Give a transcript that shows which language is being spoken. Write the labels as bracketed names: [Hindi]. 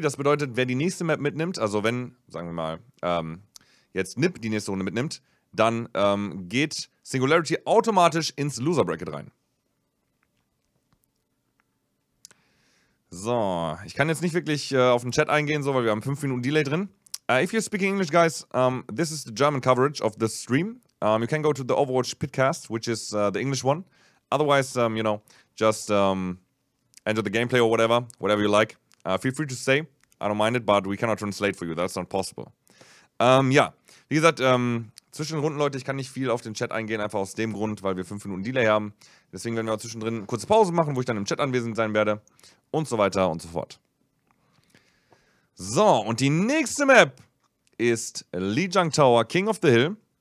[German] Das bedeutet, wer die nächste Map mitnimmt, also wenn, sagen wir mal, jetzt Nip die nächste Runde mitnimmt, dann geht Singularity automatisch ins Loser Bracket rein. So, ich kann jetzt nicht wirklich auf den Chat eingehen, so, weil wir haben 5 Minuten Delay drin. [English] If you're speaking English, guys, this is the German coverage of the stream. You can go to the Overwatch Pitcast, which is the English one. Otherwise, you know, just enjoy the gameplay or whatever, whatever you like. Feel free to stay. I don't mind it, but we cannot translate for you. That's not possible. [German] Ja, wie gesagt, zwischen den Runden, Leute, ich kann nicht viel auf den Chat eingehen, einfach aus dem Grund, weil wir 5 Minuten Delay haben. Deswegen werden wir zwischendrin kurze Pause machen, wo ich dann im Chat anwesend sein werde. Und so weiter und so fort. So, und die nächste Map ist Li Jung Tower, King of the Hill.